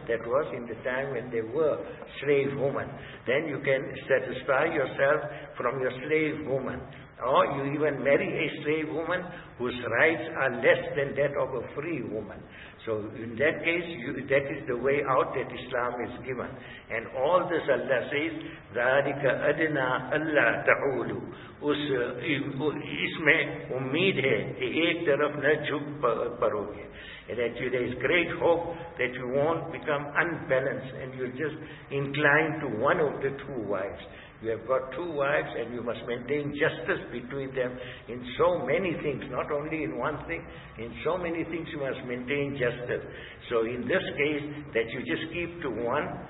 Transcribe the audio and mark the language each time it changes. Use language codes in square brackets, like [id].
[en] That was in the time when they were slave women. Then you can satisfy yourself from your slave woman. Or you even marry a slave woman whose rights are less than that of a free woman. So in that case, that is the way out that Islam is given. And all this Allah says, [ar] ذَٰلِكَ أَدْنَا أَلَّا تَعُولُوا. [ur] اس اس میں امید ہے کہ ایک طرف نہ جھک پرو گے. [en] That you, there is great hope that you won't become unbalanced and you're just inclined to one of the two wives. You have got two wives and you must maintain justice between them in so many things, not only in one thing, in so many things you must maintain justice. So in this case, that you just keep to one